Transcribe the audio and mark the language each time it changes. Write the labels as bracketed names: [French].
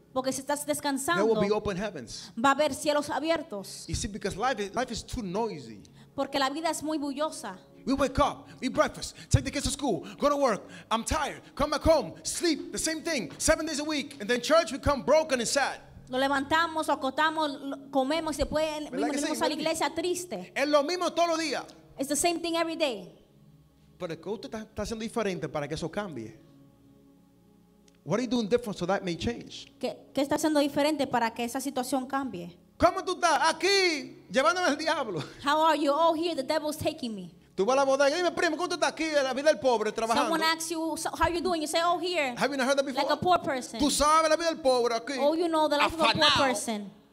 [Spanish] porque si estás descansando, [English] there will be open heavens. [Spanish] Va a haber cielos abiertos. [English] You see, because life is too noisy. [Spanish] Porque la vida es muy bullosa. [English] We wake up, eat breakfast, take the kids to school, go to work, I'm tired, come back home, sleep, the same thing, 7 days a week, and then church we come broken and sad. [Spanish] Lo levantamos, lo acotamos, comemos, y después venimos a la iglesia triste. Es lo mismo todos los días. [English] It's the same thing every day. [Spanish] Pero ¿qué usted está haciendo diferente para que eso cambie? [English] What are you doing different so that may change? [Spanish] ¿Qué está haciendo diferente para que esa situación cambie? ¿Cómo tú estás aquí llevándome al diablo? [English] How are you all here? The devil's taking me. [Spanish] Tú vas a la bodega, dime primo, ¿cómo tú estás aquí en la vida del pobre trabajando? [English] Someone asks you, so how are you doing? You say, oh, here. Have you not heard that before? Like a poor person. [Spanish] Tú sabes la vida del pobre aquí. [English] Oh, you know the life of a poor person.